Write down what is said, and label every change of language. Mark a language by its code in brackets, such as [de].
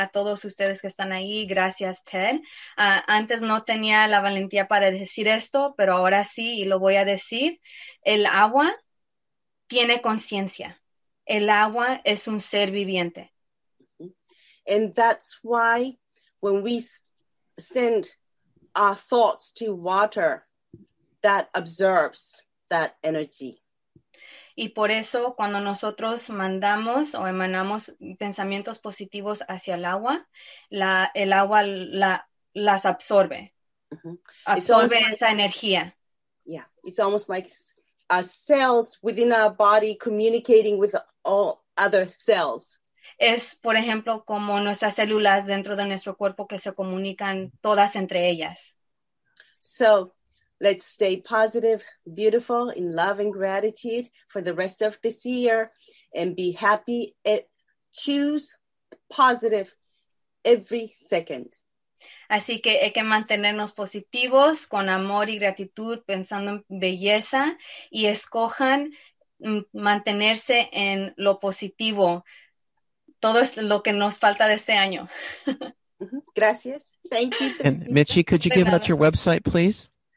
[es] A todos ustedes que están ahí. Gracias, Ted. Antes no tenía la valentía para decir esto, pero ahora sí, y lo voy a decir. El agua tiene conciencia. El agua es un ser viviente. [en] And that's why when we send our thoughts to water, that absorbs that energy. [es] Y por eso, cuando nosotros mandamos o emanamos pensamientos positivos hacia el agua, el agua las absorbe. Mm-hmm. Absorbe esa energía. [en] Yeah, it's almost like our cells within our body communicating with all other cells. [es] Es, por ejemplo, como nuestras células dentro de nuestro cuerpo que se comunican todas entre ellas. [en] So, let's stay positive, beautiful, in love and gratitude for the rest of this year and be happy. Choose positive every second. [es] Así que hay que mantenernos positivos con amor y gratitud, pensando en belleza, y escojan mantenerse en lo positivo. Todo es lo que nos falta de este año. Gracias. [en] Thank you. And Mitchie, could you give out your website, please?